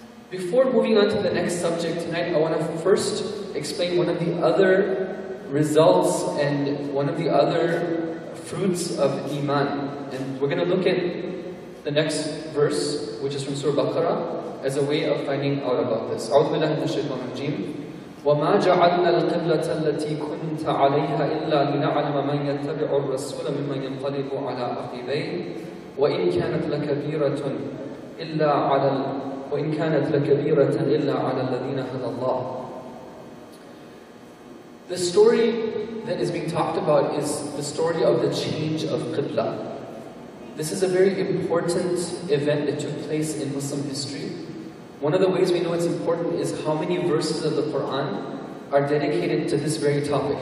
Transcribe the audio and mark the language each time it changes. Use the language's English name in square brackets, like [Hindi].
[English] Before moving on to the next subject tonight, I want to first explain one of the other results and one of the other fruits of Iman. And we're going to look at the next verse, which is from Surah Baqarah, as a way of finding out about this. [Arabic] أعوذ بالله من الشيطان الرجيم. وما جعلنا القبلة التي كنت عليها إلا لنعلم من يتبع الرسول ممن ينقلب على عقبيه وإن كانت لكبيرة إلا على وإن كانت لكبيرة إلا على الذين هدى الله. [English] The story that is being talked about is the story of the change of Qibla. This is a very important event that took place in Muslim history. One of the ways we know it's important is how many verses of the Quran are dedicated to this very topic.